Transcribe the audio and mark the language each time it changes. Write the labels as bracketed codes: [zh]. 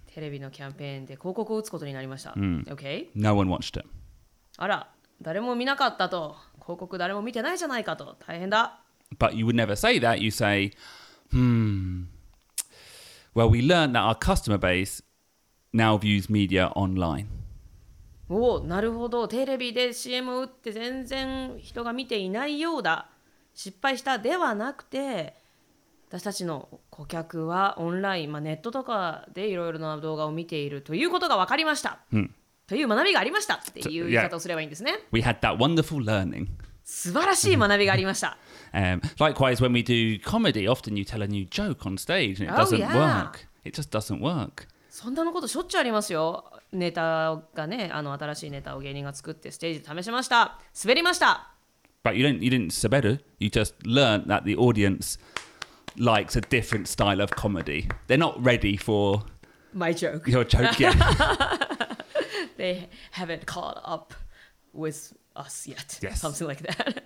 [ja] テレビのキャンペーンで広告を打つことになりました。 [en] Okay. No one watched it. [ja] あら、誰も見なかったと。広告誰も見てないじゃないかと。大変だ。 [en] But you would never say that. You say, Well, we learned that our customer base now views media online. [ja] Oh, なるほど。テレビで CM を打って全然人が見ていないようだ。失敗したではなくて、私たちの顧客はオンライン、まあ、ネットとかでいろいろな動画を見ているということが分かりました。という学びがありましたっていう言い方をすればいいんですね。 [en] We had that wonderful learning. [ja] 素晴らしい学びがありました。 [en] Likewise, when we do comedy, often you tell a new joke on stage and it doesn't work. It just doesn't work. [ja] そんなのことしょっちゅうありますよ。ネタがね、あの新しいネタを芸人が作ってステージで試しました。滑りました。 [en] But you didn't 滑る。 You just learned that the audience likes a different style of comedy. They're not ready for my joke. Your joke, yeah. They haven't caught up with us yet. Yes. Something like that.